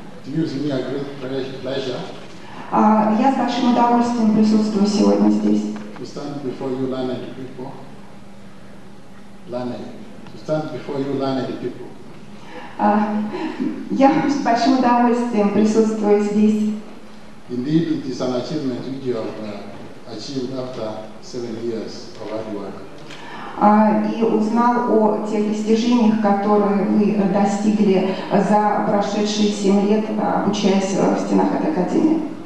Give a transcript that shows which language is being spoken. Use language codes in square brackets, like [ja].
[en] Do you see me a great pleasure? [ru] Я с большим удовольствием присутствую сегодня здесь. [en] To stand before you, learned people. Learned. To stand before you, learned people. [ru] Я с большим удовольствием присутствую здесь. [en] Indeed, it is an achievement which you have achieved after 7 years of hard work. [ru] И узнал о тех достижениях, которые вы достигли за прошедшие 7 лет, обучаясь в стенах этой академии.